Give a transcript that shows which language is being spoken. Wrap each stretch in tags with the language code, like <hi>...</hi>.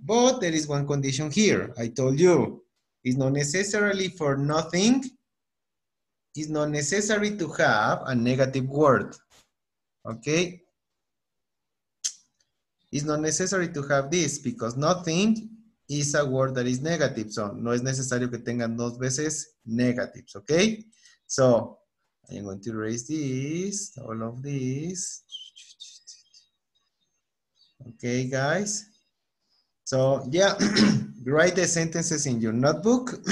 <en>But there is one condition here. I told you, it's not necessarily for nothing. It's not necessary to have a negative word, okay? It's not necessary to have this because nothing is a word that is negative.</en> <es>So no es necesario que tengan dos veces</es> <en>negatives, okay? So I'm going to erase this, all of this. Okay, guys. So, yeah, write the sentences in your notebook.</en>